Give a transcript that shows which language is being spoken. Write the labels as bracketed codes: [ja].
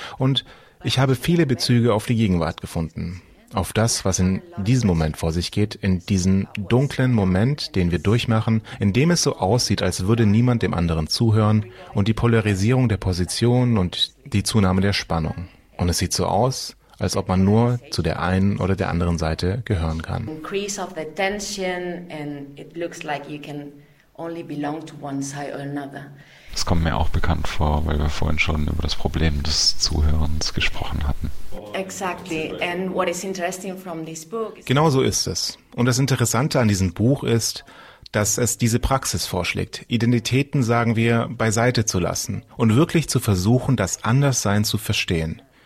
[de] Und ich habe viele Bezüge auf die Gegenwart gefunden, auf das, was in diesem Moment vor sich geht, in diesem dunklen Moment, den wir durchmachen, in dem es so aussieht, als würde niemand dem anderen zuhören und die Polarisierung der Positionen und die Zunahme der Spannung. Und es sieht so aus, als ob man nur zu der einen oder der anderen Seite gehören kann. [en] Increase of the tension and it looks like you can only belong to one side or another. [de] Das kommt mir auch bekannt vor, weil wir vorhin schon über das Problem des Zuhörens gesprochen hatten. [en] Exactly. And what is interesting from this book [de] is genau so ist es. Und das Interessante an diesem Buch ist, dass es diese Praxis vorschlägt, Identitäten, sagen wir, beiseite zu lassen und wirklich zu versuchen, das Anderssein zu verstehen.